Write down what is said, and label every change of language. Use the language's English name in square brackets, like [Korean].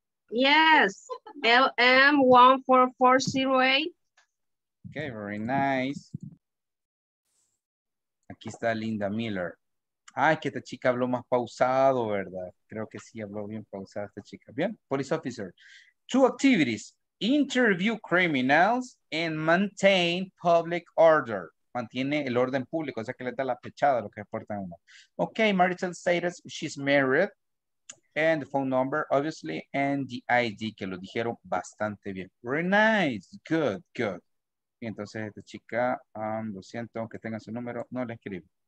[English] Yes. LM14408. Okay, very nice. [Spanish] Aquí está Linda Miller. Ay, que esta chica habló más pausado, ¿verdad? Creo que sí habló bien pausada esta chica. Bien, [English] police officer. Two activities: interview criminals and maintain public order. [Spanish] Mantiene el orden público, o sea que le da la pechada a lo que aporta uno. [English] Ok, marital status, she's married, and the phone number, obviously, and the ID, [Spanish] que lo dijeron bastante bien. [English] Very nice, good, good. [Spanish] Y entonces esta chica, lo siento, aunque tenga su número, no le escribo.